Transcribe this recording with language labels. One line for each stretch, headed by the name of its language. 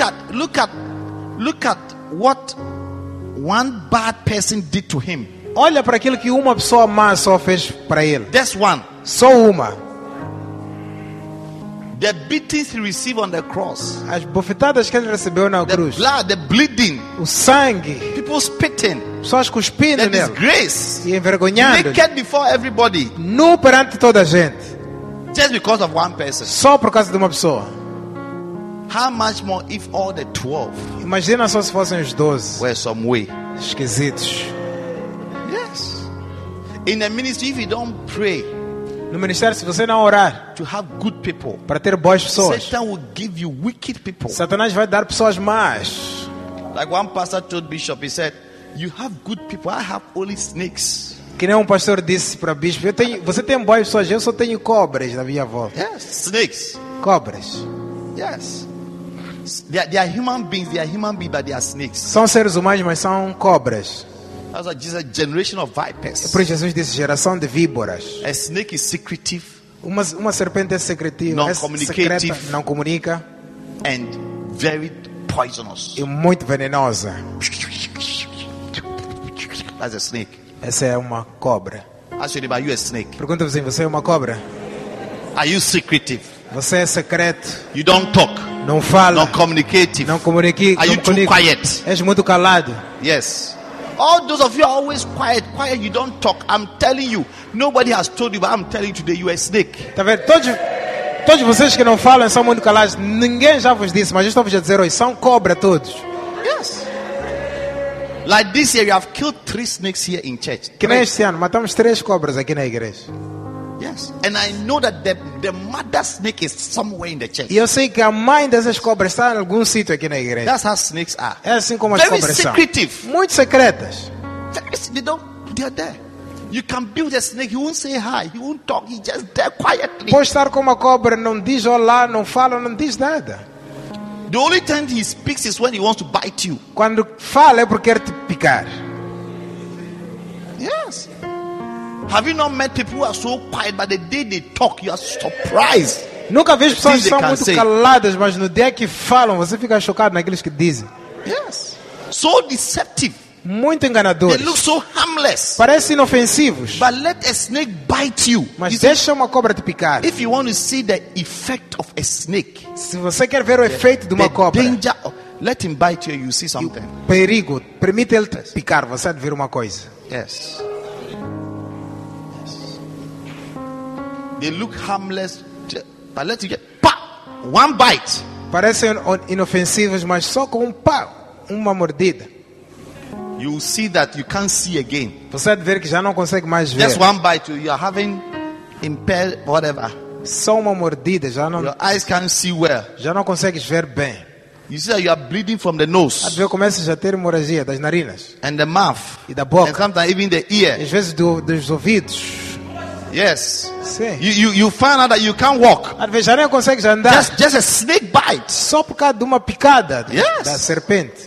English: Look at what one bad person did to him.
Portuguese: Olha para aquilo que uma pessoa má só fez para ele.
English: That's one.
Portuguese: Só uma.
English: The beatings he received on the cross.
Portuguese: As bofetadas que ele recebeu na
English: the
Portuguese: cruz.
English: Blood, the bleeding.
Portuguese: O sangue.
English: People spitting.
Portuguese: Pessoas cuspindo nele.
English: The disgrace.
Portuguese: E envergonhando.
English: Naked before everybody.
Portuguese: Nu perante toda a gente.
English: Just because of one person.
Portuguese: Só por causa de uma pessoa.
English: How much more if all the 12?
Portuguese: Imagina só se fossem os 12.
English: Were some way.
Portuguese: Esquisitos.
English: Yes. In the ministry, if you don't pray.
Portuguese: No ministério, se você não orar,
English: to have good people,
Portuguese: para ter boas pessoas,
English: Satan will give you wicked people.
Portuguese: Satanás vai dar pessoas más.
English: Like one pastor told bishop, he said, "You have good people. I have only snakes."
Portuguese: Que nem pastor disse para bispo, você tem boas pessoas, eu só tenho cobras na minha volta.
English: Yes, snakes.
Portuguese: Cobras.
English: Yes. They are human beings. They are human beings, but they are snakes.
Portuguese: São seres humanos, mas são cobras.
English: That's why Jesus, a generation of vipers.
Portuguese: Por isso Jesus disse geração de víboras.
English: A snake is secretive.
Portuguese: Uma serpente é secretiva.
English: Non-communicative.
Portuguese: É não comunica.
English: And very poisonous.
Portuguese: E muito venenosa.
English: That's a snake.
Portuguese: Essa é uma cobra.
English: Ask you about you a snake.
Portuguese: Pergunta você, você é uma cobra?
English: Are you secretive?
Portuguese: Você é secreto.
English: You don't talk.
Portuguese: Não fala.
English: Non-communicative.
Portuguese: Não comunica.
English: Are you too quiet?
Portuguese: És muito calado.
English: Yes. All those of you are always quiet, quiet, you don't talk. I'm telling you, nobody has told you, but I'm telling you today, you are a snake.
Portuguese: Tá vendo? Todos vocês que não falam são muito calados. Ninguém já vos disse, mas eu estou vos a dizer hoje, são cobra todos.
English: Yes. Like this year, you have killed 3 snakes here in church.
Portuguese: Que nem este ano, matamos 3 cobras aqui na igreja.
English: Yes. And I know that the mother snake is somewhere in the church.
Portuguese: E eu sei que a mãe dessas cobras está em algum sítio aqui na igreja.
English: That's how snakes are.
Portuguese: É assim como
English: very
Portuguese: as cobras
English: secretive.
Portuguese: São. Muito secretas.
English: They are there. You can build a snake, he won't say hi, he won't talk, he just there quietly.
Portuguese: Pode estar com uma cobra, não diz olá, não fala, não diz nada.
English: The only time he speaks is when he wants to bite you.
Portuguese: Quando fala é porque quer te picar.
English: Yes. Have you not met people who are so quiet, but the day they talk, you are surprised.
Portuguese: Nunca vi pessoas que são muito caladas, mas no dia que falam, você fica chocado naqueles que dizem.
English: Yes. So deceptive.
Portuguese: Muito enganadores.
English: They look so harmless.
Portuguese: Parecem inofensivos.
English: But let a snake bite you.
Portuguese: Mas deixa uma cobra te picar.
English: If you want to see the effect of a snake.
Portuguese: Se você quer ver o efeito de uma cobra.
English: Danger, let him bite you, you see something.
Portuguese: Perigo. Permite ele te picar, você vai ver uma coisa.
English: Yes. They look harmless, but let you get pa, one bite.
Portuguese: Parecem inofensivos, mas só com um pa, uma mordida.
English: You see that you can't see again.
Portuguese: Você vê que já não consegue mais ver.
English: Just one bite, you are having impaired whatever.
Portuguese: Só uma mordida, já não.
English: Your eyes can't see well.
Portuguese: Já não consegues ver bem.
English: You see that you are bleeding from the nose.
Portuguese: Às vezes começa a ter hemorragia das narinas.
English: And the mouth.
Portuguese: E da boca.
English: And sometimes even the ear.
Portuguese: Às vezes dos ouvidos.
English: Yes.
Portuguese: Sim.
English: You find out that you can't walk.
Portuguese: Às vezes já nem consegues andar.
English: Just a snake bite.
Portuguese: Só por causa de uma picada
English: yes.
Portuguese: da serpente.